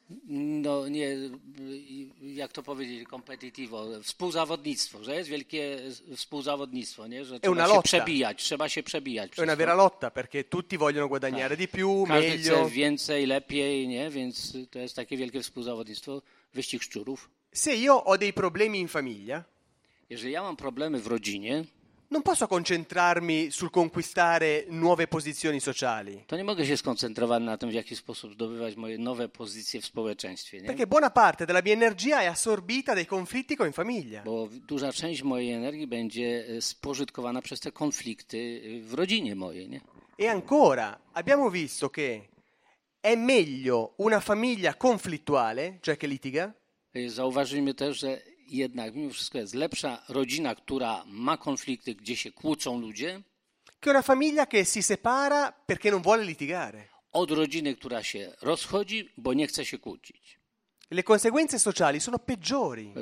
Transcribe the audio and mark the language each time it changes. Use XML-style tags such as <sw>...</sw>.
<pl>No nie, jak to powiedzieć, competitivo, współzawodnictwo, że jest wielkie współzawodnictwo, nie? Że trzeba się przebijać, trzeba się przebijać.</pl> <it>È una vera lotta, perché tutti vogliono guadagnare di più, meglio.</it> <pl>Każdy chce więcej, lepiej, nie? Więc to jest takie wielkie współzawodnictwo, wyścig szczurów.</pl> <it>Se io ho dei problemi in famiglia,</it> <pl>jeżeli ja mam problemy w rodzinie,</pl> <it>non posso concentrarmi sul conquistare nuove posizioni sociali.</it> <pl>To nie mogę się skoncentrować na tym, w jaki sposób zdobywać moje nowe pozycje w społeczeństwie. Nie?</pl> <it>Perché buona parte della mia energia è assorbita dai conflitti con in famiglia.</it> <pl>Bo duża część mojej energii będzie spożytkowana przez te konflikty w rodzinie mojej. Nie?</pl> <it>E ancora, abbiamo visto che è meglio una famiglia conflittuale, cioè che litiga.</it> <pl>Zauważyliśmy też, że jednak mimo wszystko jest lepsza rodzina, która ma konflikty, gdzie się kłócą ludzie.</pl> <it>Che una famiglia che si separa perché non vuole litigare.</it> <pl>Od rodziny, która się rozchodzi, bo nie chce się kłócić.</pl> <it>Le conseguenze sociali sono peggiori.</it>